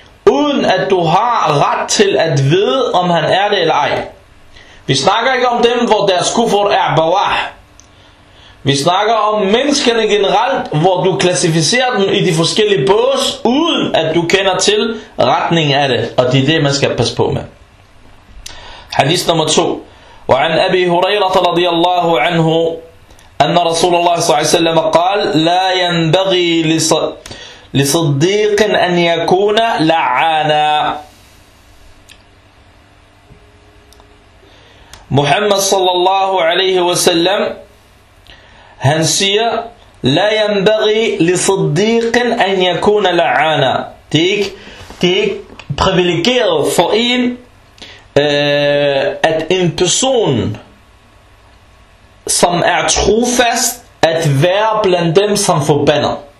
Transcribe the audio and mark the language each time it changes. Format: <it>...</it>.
<da>Uden at du har ret til at vide, om han er det eller ej. Vi snakker ikke om dem, hvor deres kufur er bawah. Vi snakker om menneskerne generelt, hvor du klassificerer dem i de forskellige bås, uden at du kender til retningen af det. Og det er det, man skal passe på med. Hadith nummer 2.</da> <ar>وعن أبي هريرة رضي الله عنه أن رسول الله صلى الله عليه وسلم قال لا ينبغي لصديق أن يكون لعانا.</ar> <da>محمد صلى الله عليه وسلم هنسية</da> <ar>لا ينبغي لصديق أن يكون لعانا</ar> <da>تيك privilegier for en at en person, som er trofast, at være blandt dem, som forbander.</da>